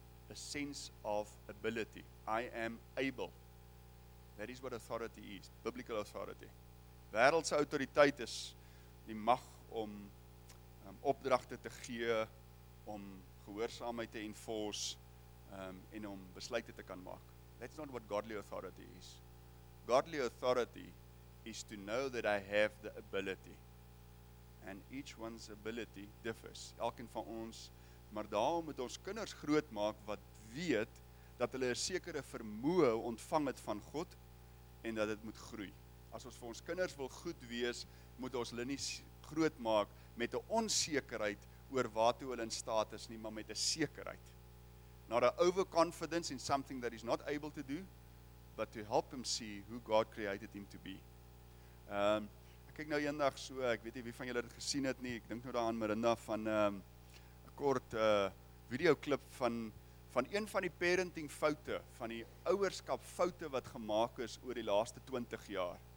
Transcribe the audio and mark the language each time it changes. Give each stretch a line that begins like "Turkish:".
English: A sense of ability. I am able. That is what authority is. Biblical authority.
Afrikaans: Wêreldse autoriteit is die mag om opdragte te gee, om gehoorsaamheid te enforce en om besluite te kan maak.
English: That's not what godly authority is. Godly authority is to know that I have the ability. And each one's ability differs.
Afrikaans: Elkeen van ons, maar daarom moet ons kinders groot maak wat weet dat hulle 'n sekere vermoë ontvang het van God en dat dit moet groei. As ons vir ons kinders wil goed wees, moet ons hulle nie groot maak met 'n onsekerheid oor waartoe hulle in staat is nie, maar met 'n sekerheid.
English: Not a overconfidence in something that he's not able to do, but to help him see who God created him to be.
Afrikaans: Ek kyk nou eendag so, ek weet nie wie van julle dit gesien het nie, ek dink nou daaraan Miranda van 'n kort videoklip van een van die parenting foute, van die ouerskap foute wat gemaak is oor die laaste 20 jaar.